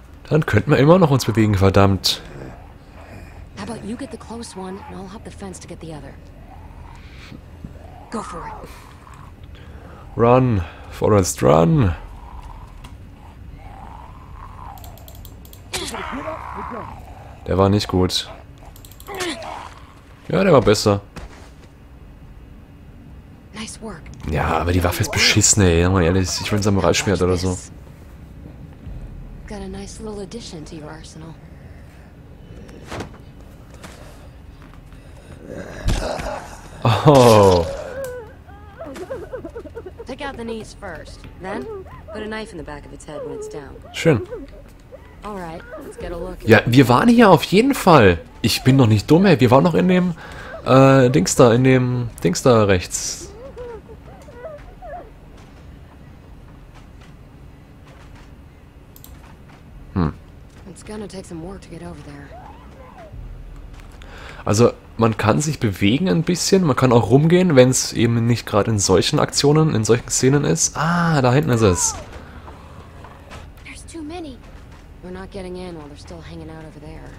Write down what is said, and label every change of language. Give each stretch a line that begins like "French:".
German: Dann könnten wir immer noch uns bewegen, verdammt.
English: How about you get the close one and I'll hop the fence to get the other. Go for it. Run, Forrest, run.
German: Der war nicht gut. Ja, der war besser.
English: Nice work.
German: Ja, aber die Waffe ist beschissen, ey. Mal ehrlich, ich will ein Samurai-Schwert oder so.
English: Got a nice little addition to your arsenal. Oh. Take out the knees first. Then put a knife in the back of its head when it's down.
German: Schön.
English: All right, let's get a look.
German: Ja, wir waren hier auf jeden Fall. Ich bin noch nicht dumm, ey. Wir waren noch in dem Dings da, in dem Dings da rechts. Hm.
English: It's gonna take some work to get over there.
German: Also, man kann sich bewegen ein bisschen, man kann auch rumgehen, wenn es eben nicht gerade in solchen Aktionen, in solchen Szenen ist. Ah, da hinten ist es.
English: There's too many. We're not getting in while they're still hanging out over there.